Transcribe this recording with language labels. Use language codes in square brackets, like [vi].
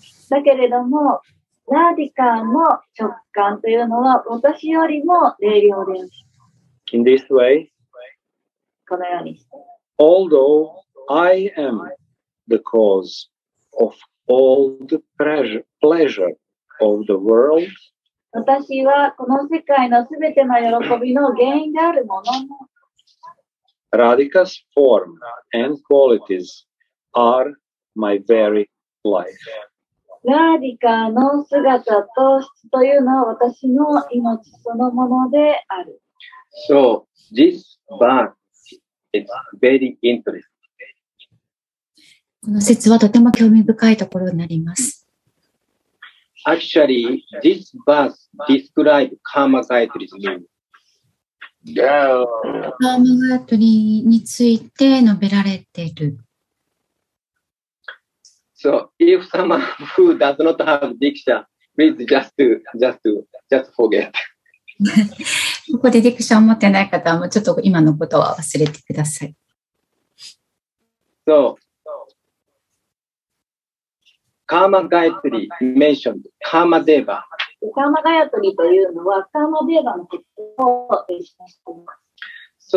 [ja] だけれども、ラーディカーの直感というのは私よりも冷涼です。 [en] In this way, [ja] このようにして。 [en] Although I am the cause of all the pleasure of the world, [ja] 私はこの世界のすべての喜びの原因であるものも、 [en] ラーディカーの form and qualities are my very life. [ja] ラーディカの姿と質というのは私の命そのものである。 [en] So, this verse is very interesting. [ja] この説はとても興味深いところになります。 [en] Actually, this verse describes karma gayatri's meaning. [ja] カーマガヤトリについて述べられている。 [en] So, if someone who does not have diksha, please just forget. [ja] ここでdiksha を持ってない方はもうちょっと今のことは忘れてください。 [en] So, カーマガヤトリ mentioned カーマデーバー。 [ja] カーマガヤトリというのはカーマデーバのことを示しています